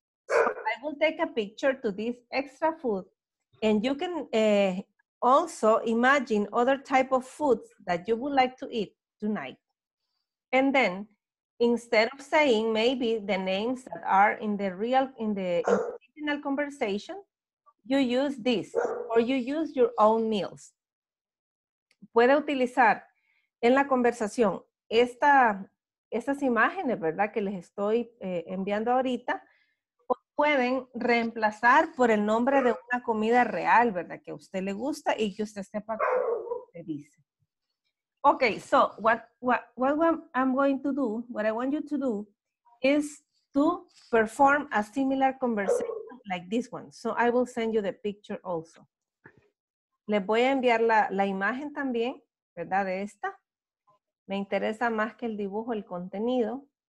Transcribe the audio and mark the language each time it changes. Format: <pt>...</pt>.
<en>So I will take a picture to this extra food and you can also imagine other type of foods that you would like to eat tonight. And then instead of saying maybe the names that are in the real, in the original conversation, you use this or you use your own meals.</en> <es>Puede utilizar en la conversación estas imágenes, ¿verdad? Que les estoy enviando ahorita. O pueden reemplazar por el nombre de una comida real, ¿verdad? Que a usted le gusta y que usted sepa cómo se dice.</es> <en>Okay, so what I want you to do is to perform a similar conversation like this one. So I will send you the picture also.</en> <es>Les voy a enviar la imagen también, ¿verdad? De esta. Me interesa más que el dibujo, el contenido.</es>